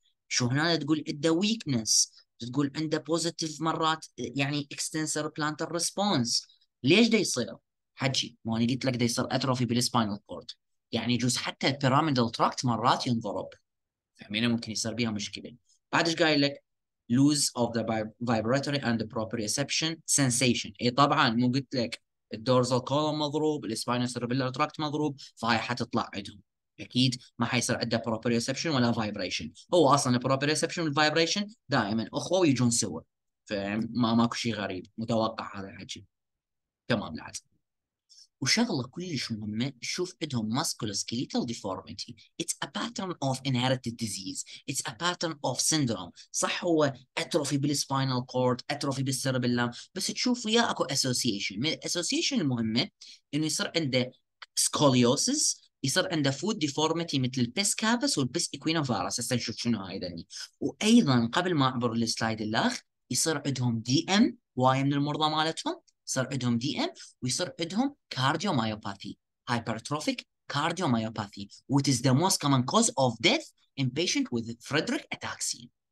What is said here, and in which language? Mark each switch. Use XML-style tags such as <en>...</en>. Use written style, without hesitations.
<ar>شو هنا تقول عنده ويكنس، تقول عنده بوزيتيف مرات يعني اكستنسر بلانتر ريسبونس. ليش دا يصير؟ حجي ما انا قلت لك دا يصير اتروفي بالسباينال كورد، يعني يجوز حتى البيراميدال تراكت مرات ينضرب، فهمينا ممكن يصير بيها مشكله. بعد ايش قايل لك؟</ar> <en>lose of the vibratory and the proprioception sensation.</en> <ar>اي طبعا مو قلت لك الدورزال كولوم مضروب، الاسباينال سيربيلر تراكت مضروب، فهي حتطلع عندهم اكيد ما حيصير عنده proprioception ولا vibration. هو اصلا proprioception والvibration دائما اخوه ويجون سوا، فما ماكو شيء غريب، متوقع هذا الحكي تمام العزم. وشغله كلش مهمه، شوف عندهم musculoskeletal deformity.</ar> <en>It's a pattern of inherited disease. It's a pattern of syndrome.</en> <ar>صح هو اتروفي بالسباينال كورد، اتروفي بالسيربيلم، بس تشوف وياه اكو اسوسيشن. من الاسوسيشن المهمه انه يصير عنده scoliosis، يصير عنده foot deformity مثل البيس كابس والبيس اكوينوفارس. هسه نشوف شنو هاي ذني. وايضا قبل ما اعبر للسلايد الاخ، يصير عندهم دي ام واي من المرضى مالتهم، صار عندهم دي ام، ويصير عندهم كارديوميوباثي، هايبرتروفيك كارديوميوباثي،</ar> <en>which is the most common cause of death in patient with Friedreich ataxia.</en>